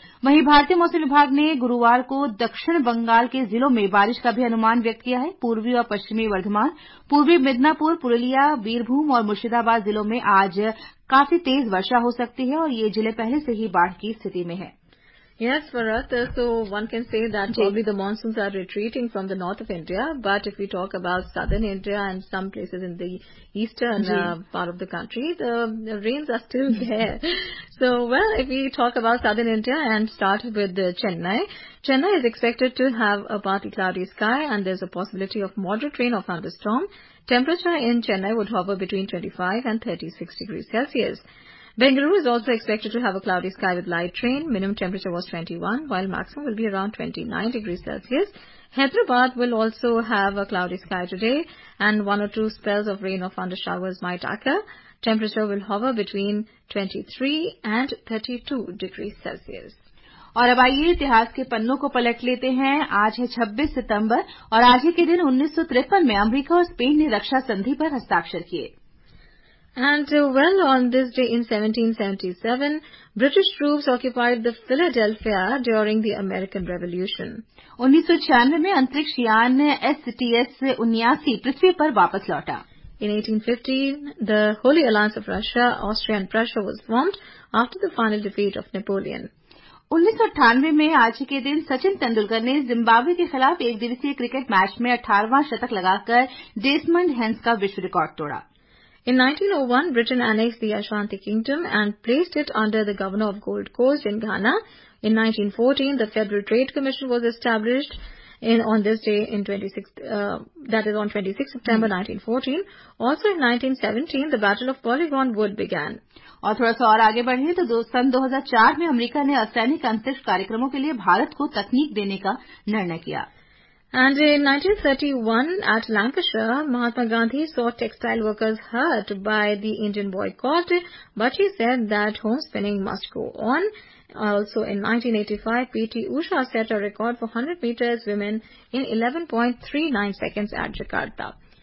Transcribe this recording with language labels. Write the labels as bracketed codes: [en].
[hi] वहीं भारतीय मौसम विभाग ने गुरुवार को दक्षिण बंगाल के जिलों में बारिश का भी अनुमान व्यक्त किया है. पूर्वी और पश्चिमी वर्धमान, पूर्वी मिदनापुर, पुरुलिया, बीरभूम और मुर्शिदाबाद जिलों में आज काफी तेज वर्षा हो सकती है और ये जिले पहले से ही बाढ़ की स्थिति में हैं. [en] Yes, Bharat, so one can say that probably the monsoons are retreating from the north of India, but if we talk about southern India and some places in the eastern part of the country, the rains are still there. So, well, if we talk about southern India and start with Chennai, Chennai is expected to have a partly cloudy sky and there's a possibility of moderate rain or thunderstorm. Temperature in Chennai would hover between 25 and 36 degrees Celsius. Bengaluru is also expected to have a cloudy sky with light rain. Minimum temperature was 21, while maximum will be around 29 degrees Celsius. Hyderabad will also have a cloudy sky today, and one or two spells of rain or thunder showers might occur. Temperature will hover between 23 and 32 degrees Celsius. [hi] और अब आइए इतिहास के पन्नों को पलट लेते हैं. आज है 26 सितंबर और आज ही के दिन 1953 में अमेरिका और स्पेन ने रक्षा संधि पर हस्ताक्षर किए. [en] And well, on this day in 1777, British troops occupied the Philadelphia during the American Revolution. [hi] 1996 में अंतरिक्ष यान STS-79 पृथ्वी पर वापस लौटा. [en] In 1815, the Holy Alliance of Russia, Austria and Prussia was formed after the final defeat of Napoleon. [hi] 1998 में आज के दिन सचिन तेंदुलकर ने जिम्बाब्वे के खिलाफ एक दिवसीय क्रिकेट मैच में 18वां शतक लगाकर डेसमंड हेंस का विश्व रिकॉर्ड तोड़ा. [en] In 1901, Britain annexed the Ashanti Kingdom and placed it under the governor of Gold Coast in Ghana. In 1914, the Federal Trade Commission was established on 26 September 1914. Also in 1917, the Battle of Polygon Wood began. [hi] और थोड़ा सा और आगे बढ़े तो सन 2004 में America ने असैनिक अंतरिक्ष कार्यक्रमों के लिए भारत को तकनीक देने का निर्णय किया. [en] And in 1931 at Lancashire, Mahatma Gandhi saw textile workers hurt by the Indian boycott, but he said that home spinning must go on. Also in 1985, P.T. Usha set a record for 100 meters women in 11.39 seconds at Jakarta.